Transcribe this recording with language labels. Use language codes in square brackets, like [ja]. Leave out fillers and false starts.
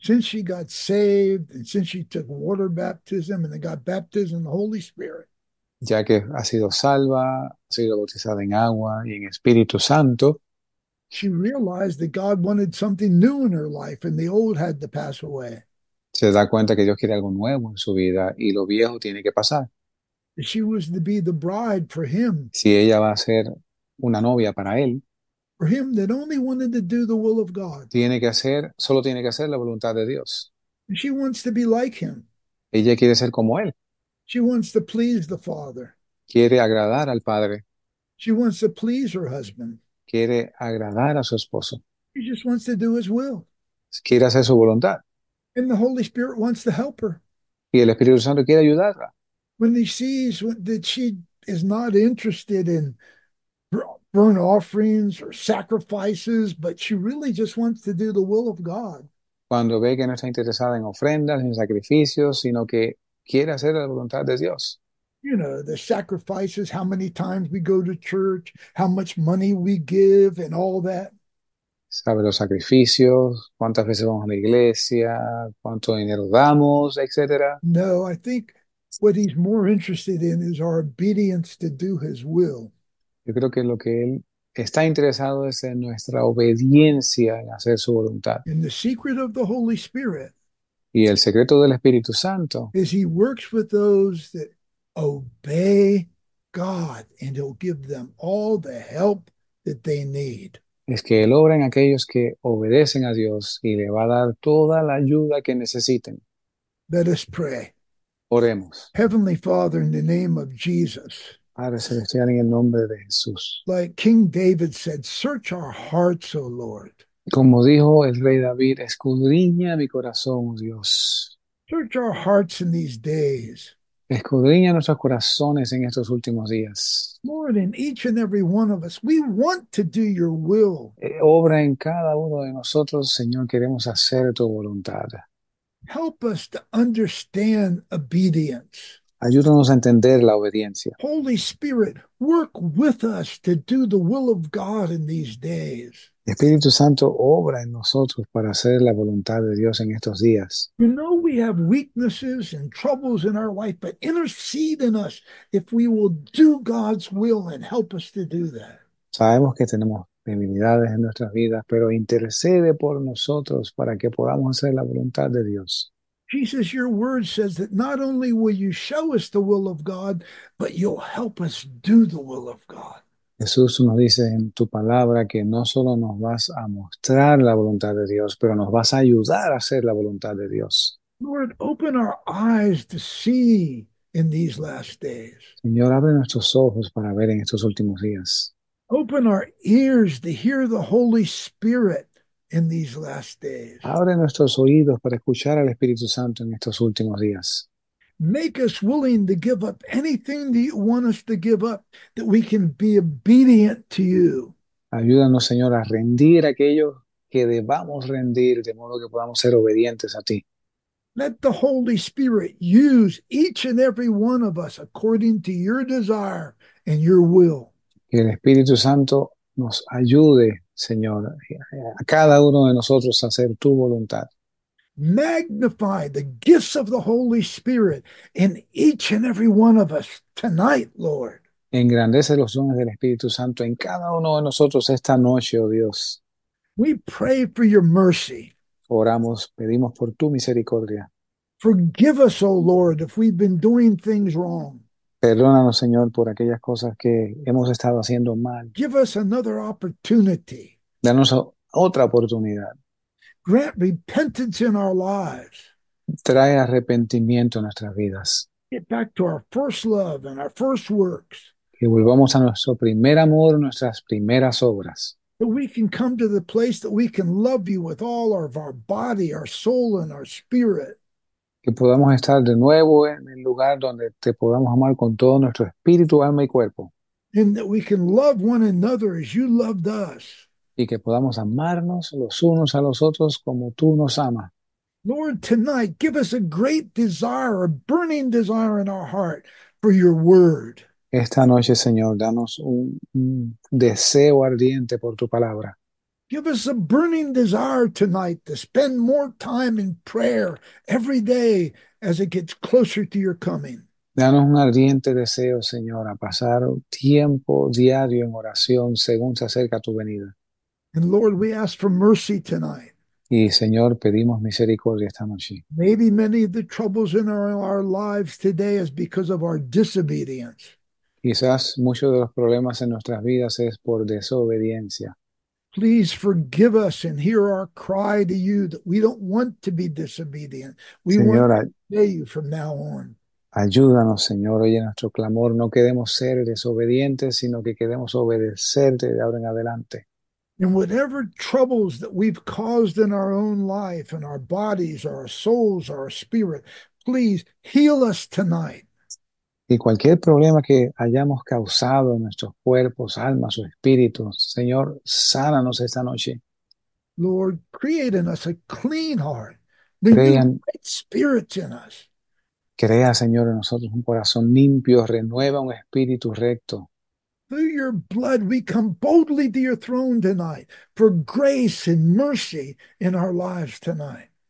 [en] Since she got saved and since she took water baptism and they got baptism in the Holy Spirit. [es] Ya que ha sido salva, ha sido bautizada en agua y en Espíritu Santo. [en] She realized that God wanted something new in her life and the old had to pass away. [es] Se da cuenta que Dios quiere algo nuevo en su vida y lo viejo tiene que pasar. [en] She was to be the bride for him. [es] Si ella va a ser una novia para él, [en] For him that only wanted to do the will of God. [es] solo tiene que hacer la voluntad de Dios. [en] And she wants to be like him. [es] Ella quiere ser como él. [en] She wants to please the father. [es] Quiere agradar al padre. [en] She wants to please her husband. [es] Quiere agradar a su esposo. [en] She just wants to do his will. [es] Quiere hacer su voluntad. [en] And the Holy Spirit wants to help her. [es] Y el Espíritu Santo quiere ayudarla. [en] When he sees that she is not interested in burnt offerings or sacrifices, but she really just wants to do the will of God. [es] Cuando ve que no está interesada en ofrendas, en sacrificios, sino que quiere hacer la voluntad de Dios. [en] You know, the sacrifices, how many times we go to church, how much money we give, and all that. [es] Sabe los sacrificios, cuántas veces vamos a la iglesia, cuánto dinero damos, etcétera. [en] No, I think. What he's more interested in is our obedience to do his will. [es] Yo creo que lo que él está interesado es en nuestra obediencia en hacer su voluntad. [en] And the secret of the Holy Spirit [es] Y el secreto del Espíritu Santo [en] is he works with those that obey God, and he'll give them all the help that they need. [es] es que él obra en aquellos que obedecen a Dios y le va a dar toda la ayuda que necesiten. [en] Let us pray. [es] Oremos. [en] Heavenly Father, in the name of Jesus, [es] Padre Celestial, en el nombre de Jesús. [en] like King David said, search our hearts, O Lord. [es] Como dijo el rey David, escudriña mi corazón, Dios. [en] Search our hearts in these days. [es] Escudriña nuestros corazones en estos últimos días. [en] More than each and every one of us, we want to do your will. [es] Obra en cada uno de nosotros, Señor, queremos hacer tu voluntad. [en] Help us to understand obedience. [es] Ayúdanos a entender la obediencia. [en] Holy Spirit, work with us to do the will of God in these days. [es] Espíritu Santo, obra en nosotros para hacer la voluntad de Dios en estos días. [en] You know we have weaknesses and troubles in our life, but intercede in us if we will do God's will and help us to do that. [es] Sabemos que tenemos debilidades en nuestras vidas, pero intercede por nosotros para que podamos hacer la voluntad de Dios. [en] Jesus, your word says that not only will you show us the will of God, but you'll help us do the will of God. [es] Jesús nos dice en tu palabra que no solo nos vas a mostrar la voluntad de Dios, pero nos vas a ayudar a hacer la voluntad de Dios. [en] Lord, open our eyes to see in these last days. [es] Señor, abre nuestros ojos para ver en estos últimos días. [en] Open our ears to hear the Holy Spirit in these last days. [es] Abre nuestros oídos para escuchar al Espíritu Santo en estos últimos días. [en] Make us willing to give up anything that you want us to give up, that we can be obedient to you. [es] Ayúdanos, Señor, a rendir aquello que debamos rendir, de modo que podamos ser obedientes a ti. [en] Let the Holy Spirit use each and every one of us according to your desire and your will. [es] Que el Espíritu Santo nos ayude, Señor, a cada uno de nosotros a hacer tu voluntad. [en] Magnify the gifts of the Holy Spirit in each and every one of us tonight, Lord. [es] Engrandece los dones del Espíritu Santo en cada uno de nosotros esta noche, oh Dios. [en] We pray for your mercy. [es] Oramos, pedimos por tu misericordia. [en] Forgive us, oh Lord, if we've been doing things wrong. [es] Perdónanos, Señor, por aquellas cosas que hemos estado haciendo mal. [en] Give us another opportunity. [es] Danos otra oportunidad. [en] Grant repentance in our lives. [es] Trae arrepentimiento a nuestras vidas. [en] Get back to our first love and our first works. [es] Que volvamos a nuestro primer amor, nuestras primeras obras. [en] That we can come to the place that we can love you with all of our body, our soul, and our spirit. [es] Que podamos estar de nuevo en el lugar donde te podamos amar con todo nuestro espíritu, alma y cuerpo. [en] And that we can love one another as you loved us. [es] Y que podamos amarnos los unos a los otros como tú nos amas. [en] Lord, tonight, give us a great desire, a burning desire in our heart for your word. [es] Esta noche, Señor, danos un deseo ardiente por tu palabra. [en] Give us a burning desire tonight to spend more time in prayer every day as it gets closer to your coming. [es] Danos un ardiente deseo, Señor, a pasar tiempo diario en oración según se acerca tu venida. [en] And Lord, we ask for mercy tonight. [es] Y, Señor, pedimos misericordia esta noche. [en] Maybe many of the troubles in our lives today is because of our disobedience. [es] Quizás muchos de los problemas en nuestras vidas es por desobediencia. [en] Please forgive us and hear our cry to you that we don't want to be disobedient. We want to [es] Señora, [en] obey you from now on. [es] ayúdanos, Señor, oye nuestro clamor. No queremos ser desobedientes, sino que queremos obedecerte de ahora en adelante. [en] And whatever troubles that we've caused in our own life, in our bodies, our souls, our spirit, please heal us tonight. [es] Y cualquier problema que hayamos causado en nuestros cuerpos, almas o espíritus, Señor, sánanos esta noche. [en] Lord, create in us a clean heart, renew [es] Crean, [en] right spirits in us. [es] crea, Señor, en nosotros un corazón limpio, renueva un espíritu recto. [en] Through your blood, we come boldly to your throne tonight for grace and mercy in our lives tonight.